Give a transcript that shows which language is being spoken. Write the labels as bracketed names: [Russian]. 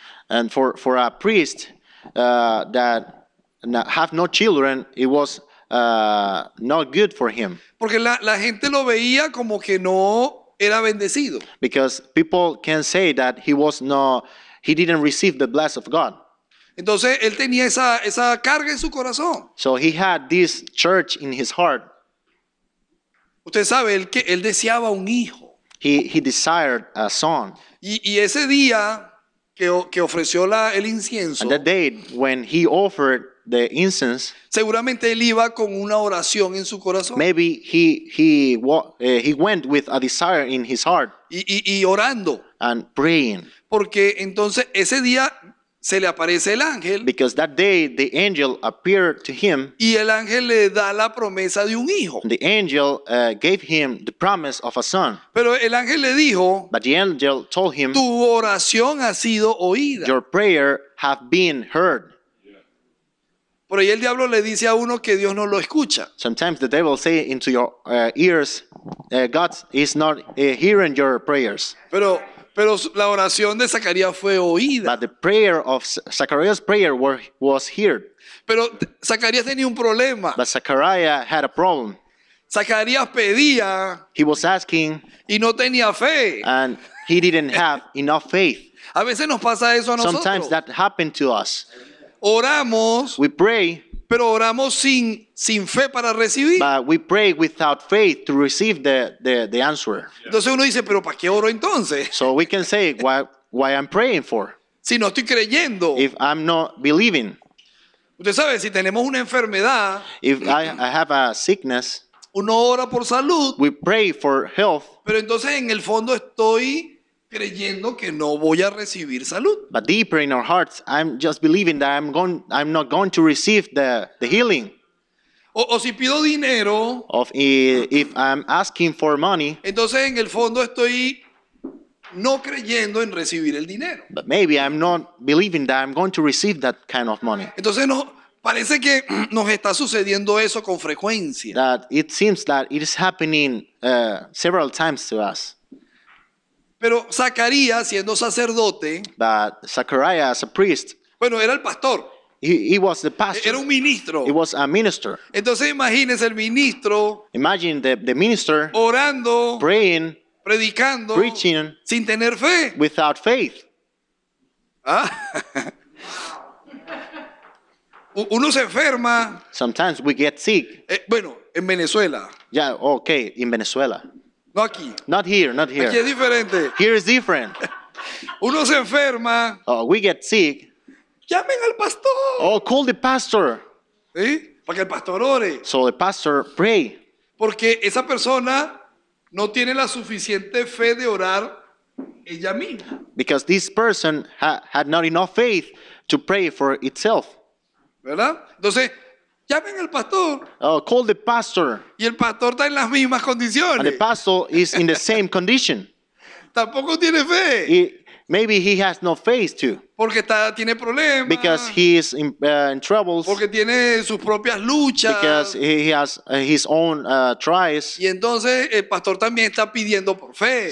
[English] And for a priest that have no children, it was not good for him. [Spanish] Porque la gente lo veía como que no era bendecido. [English] Because people can say that he was not, he didn't receive the blessing of God. [Spanish] Entonces él tenía esa carga en su corazón. [English] So he had this church in his heart. [Spanish] Usted sabe, él deseaba un hijo. [English] He desired a son. [Spanish] Y ese día que ofreció el incienso. [English] And that day when he offered the incense. [Spanish] Seguramente él iba con una oración en su corazón. [English] Maybe he went with a desire in his heart. [Spanish] Y orando. [English] And praying. [Spanish] Porque entonces ese día se le aparece el ángel. [English] Because that day the angel appeared to him. [Spanish] Y el ángel le da la promesa de un hijo. [English] The angel gave him the promise of a son. [Spanish] Pero el ángel le dijo. [English] But the angel told him. [Spanish] Tu oración ha sido oída. [English] Your prayer have been heard. [Spanish] Pero ahí el diablo le dice a uno que Dios no lo escucha. [English] Sometimes the devil say into your ears, God is not hearing your prayers. [Spanish] Pero la oración de Zacarías fue oída. [English] But the prayer of Zacharias' prayer was heard. [Spanish] Pero Zacarías tenía un problema. [English] But Zachariah had a problem. [Spanish] Zacarías pedía. [English] He was asking. [Spanish] Y no tenía fe. [English] And he didn't have enough faith. [Spanish] A veces nos pasa eso a nosotros. [English] Sometimes that happened to us. [Spanish] Oramos. [English] We pray. [Spanish] Pero oramos sin fe para recibir. [English] But we pray without faith to receive the answer. [Spanish] Entonces uno dice, pero ¿para qué oro entonces? [English] So we can say why I'm praying for. [Spanish] Si no estoy creyendo. [English] If I'm not believing. [Spanish] Usted sabe, si tenemos una enfermedad. [English] If I have a sickness. [Spanish] Uno ora por salud. [English] We pray for health. [Spanish] Pero entonces en el fondo estoy creyendo que no voy a recibir salud. [English] But deeper in our hearts, I'm just believing that I'm not going to receive the healing. [Spanish] O si pido dinero. [English] If I'm asking for money. [Spanish] Entonces en el fondo estoy no creyendo en recibir el dinero. [English] But maybe I'm not believing that I'm going to receive that kind of money. [Spanish] Entonces no, parece que nos está sucediendo eso con frecuencia. [English] That it seems that it is happening several times to us. [Spanish] Pero Zacarías, siendo sacerdote, [English] but Zachariah, as a priest, [Spanish] bueno, era el pastor. [English] He was the pastor. [Spanish] Era un ministro. [English] He was a minister. [Spanish] Entonces imagínese el ministro. [English] Imagine the minister [Spanish] orando, [English] praying, [Spanish] predicando, [English] preaching, [Spanish] sin tener fe, [English] without faith. [Spanish] Ah. Uno se enferma. [English] Sometimes we get sick. [Spanish] Bueno, en Venezuela. [English] Yeah, okay, in Venezuela. [Spanish] No aquí. [English] Not here, not here. [Spanish] Aquí es diferente. [English] Here is different. [Spanish] Uno se enferma. [English] Oh, we get sick. [Spanish] Llamen al pastor. [English] Oh, call the pastor. [Spanish] ¿Sí? Para que el pastor ore. [English] So the pastor pray. [Spanish] Porque esa persona no tiene la suficiente fe de orar ella misma. [English] Because this person had not enough faith to pray for itself. [Spanish] ¿Verdad? Entonces, llamen al pastor. [English] Oh, call the pastor. [Spanish] Y el pastor está en las mismas condiciones. [English] And the pastor is in the same condition. [Spanish] Tampoco tiene fe. [English] Maybe he has no faith too. [Spanish] Porque tiene problemas. [English] Because he is in troubles. [Spanish] Porque tiene sus propias luchas. [English] Because he has his own trials. [Spanish] Y entonces el pastor también está pidiendo por fe.